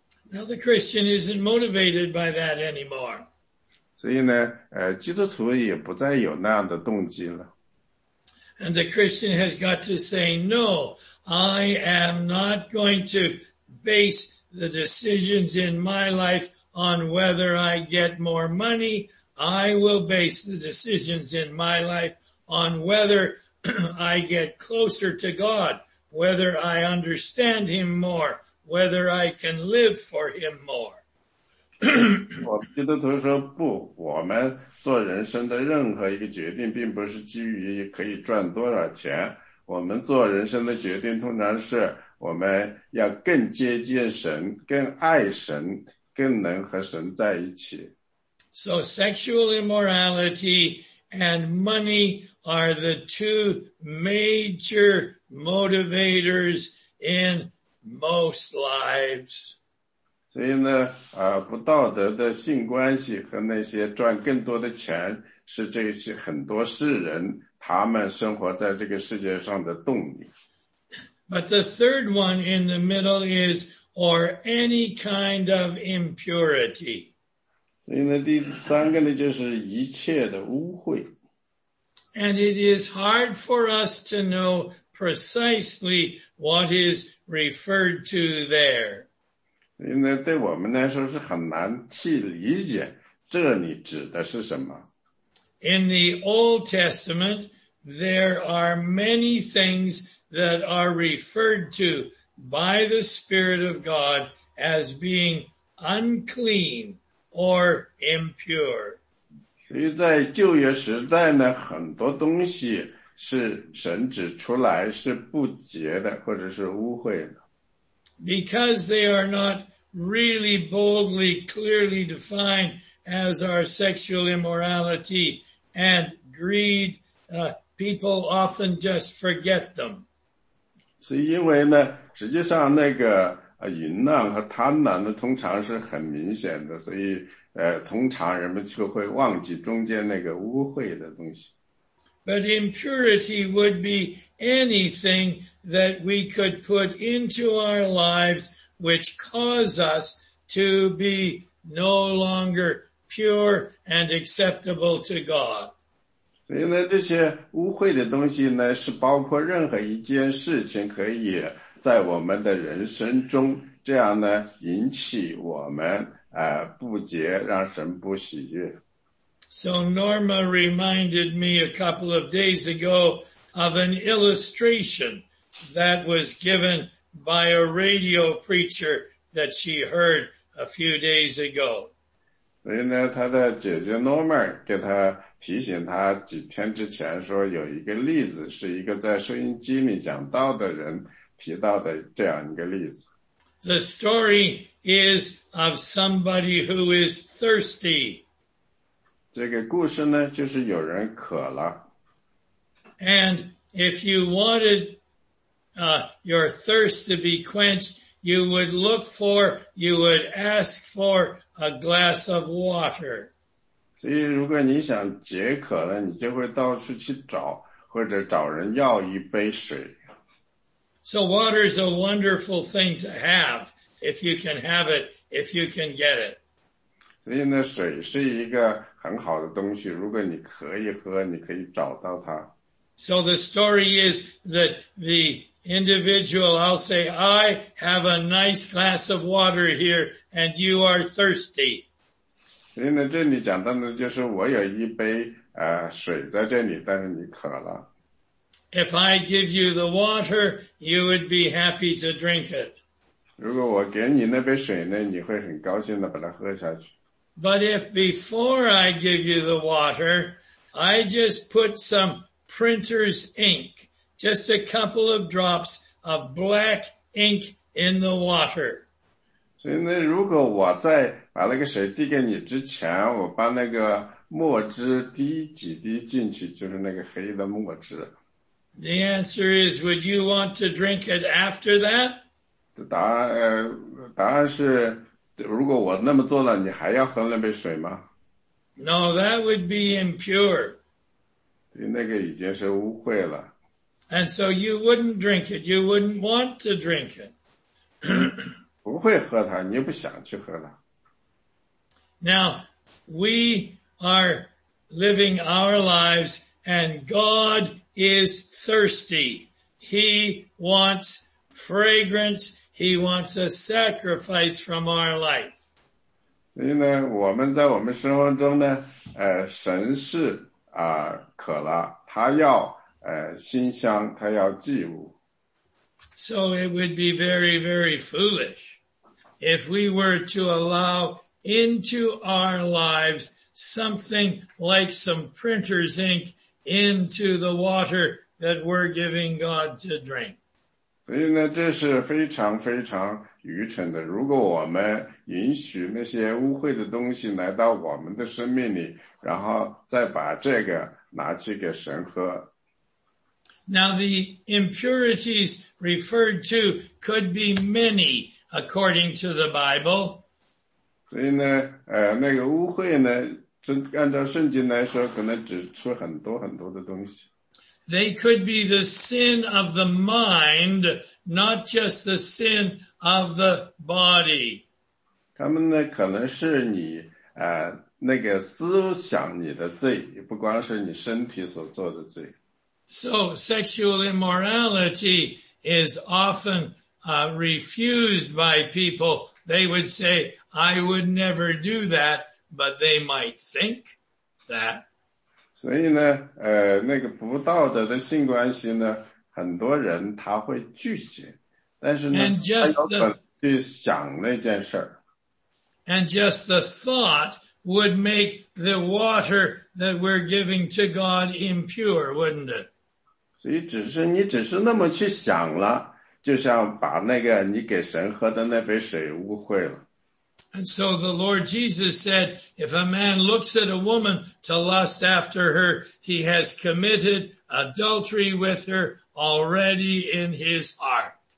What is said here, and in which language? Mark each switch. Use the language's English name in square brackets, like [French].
[English] Now the Christian isn't motivated by that anymore. [Chinese] 所以呢，基督徒也不再有那样的动机了。 [English] And the Christian has got to say, no, I am not going to base the decisions in my life on whether I get more money. I will base the decisions in my life on whether I get closer to God, whether I understand Him more, whether I can live for Him more. [Chinese] 我们基督徒说不，我们做人生的任何一个决定并不是基于可以赚多少钱，我们做人生的决定通常是我们要更接近神，更爱神，更能和神在一起。 [English] So sexual immorality and money are the two major motivators in most lives. [Chinese] 所以呢，不道德的性关系和那些赚更多的钱是这些很多世人他们生活在这个世界上的动力。 [English] But the third one in the middle is, or any kind of impurity. [Chinese] 所以呢，第三个呢，就是一切的污秽。 [English] And it is hard for us to know precisely what is referred to there. [Chinese] 所以呢，对我们来说是很难去理解这里指的是什么。 [English] In the Old Testament, there are many things that are referred to by the Spirit of God as being unclean. Or impure. [Chinese] 所以在旧约时代呢，很多东西是神指出来是不洁的，或者是污秽的。 [English] Because they are not really boldly, clearly defined as our sexual immorality and greed, people often just forget them. [Chinese] 所以因为呢，实际上那个淫乱和贪婪呢，通常是很明显的，所以通常人们就会忘记中间那个污秽的东西。 [English] But impurity would be anything that we could put into our lives which cause us to be no longer pure and acceptable to God. [Chinese] 所以呢，这些污秽的东西呢，是包括任何一件事情可以在我们的人生中，这样呢，引起我们不洁，让神不喜悦。 [English] So Norma reminded me a couple of days ago of an illustration that was given by a radio preacher that she heard a few days ago. [Chinese] 所以呢，她的姐姐 Norma 给她提醒她几天之前说有一个例子，是一个在收音机里讲道的人。提到的这样一个例子。 [English] The story is of somebody who is thirsty. [Chinese] 这个故事呢，就是有人渴了。 [English] And if you wanted, your thirst to be quenched, you would ask for a glass of water. [Chinese] 所以如果你想解渴了，你就会到处去找，或者找人要一杯水。 [English] So water is a wonderful thing to have, if you can have it, if you can get it. [Chinese] 所以呢，水是一个很好的东西，如果你可以喝，你可以找到它。 [English] So the story is that the individual, I'll say, I have a nice glass of water here, and you are thirsty. [Chinese] 所以呢，这里讲到的就是我有一杯水在这里，但是你渴了。 [English] If I give you the water, you would be happy to drink it. [Chinese] 如果我给你那杯水呢，你会很高兴的把它喝下去。 [English] But if before I give you the water, I just put some printer's ink, just a couple of drops of black ink in the water. [Chinese] 所以呢，如果我在把那个水递给你之前，我把那个墨汁滴几滴进去，就是那个黑的墨汁。 [English] The answer is, would you want to drink it after that? [Chinese] 答案是，如果我那么做了，你还要喝那杯水吗？ [English] No, that would be impure. [Chinese] 对，那个已经是污秽了。 [English] And so you wouldn't drink it. You wouldn't want to drink it. [Chinese] 不会喝它，你不想去喝它。 [English] Now, we are living our lives and God is thirsty. He wants fragrance. He wants a sacrifice from our life. [Chinese] 所以呢，我们在我们生活中呢，神是渴了，他要馨香，他要祭物。 [English] So it would be very, very foolish if we were to allow into our lives something like some printer's ink into the water that we're giving God to drink. [Chinese] 所以呢，这是非常非常愚蠢的。如果我们允许那些污秽的东西来到我们的生命里，然后再把这个拿去给神喝。 [English] Now the impurities referred to could be many according to the Bible. [Chinese] 所以呢，那个污秽呢，真按照圣经来说，可能指出很多很多的东西。 [English] They could be the sin of the mind, not just the sin of the body. [Chinese] 他们呢，可能是你那个思想你的罪，不光是你身体所做的罪。 [English] So sexual immorality is often refused by people. They would say, I would never do that, but they might think that. [Chinese] 所以呢，那个不道德的性关系呢，很多人他会拒绝，但是呢，他有可能去想那件事儿。 [English] And just the thought would make the water that we're giving to God impure, wouldn't it? [Chinese] 所以只是你只是那么去想了，就像把那个你给神喝的那杯水污秽了。 [English] And so the Lord Jesus said, if a man looks at a woman to lust after her, he has committed adultery with her already in his heart.